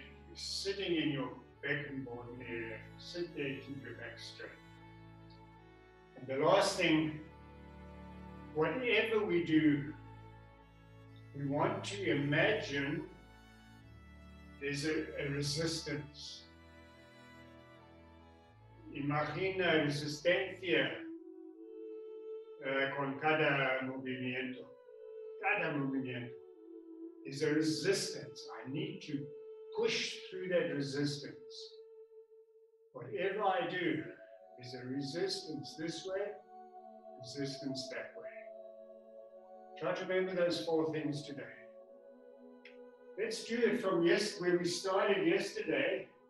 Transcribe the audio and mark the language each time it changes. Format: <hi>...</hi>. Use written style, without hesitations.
<en>You're sitting in your pecking board area. Sit there, keep your back straight. And the last thing, whatever we do, we want to imagine there's a resistance.</en> <es>Imagina resistencia con cada movimiento. Cada movimiento</es> <en>is a resistance. I need to push through that resistance. Whatever I do is a resistance this way, resistance that way. Try to remember those four things today. Let's do it from where we started yesterday.</en>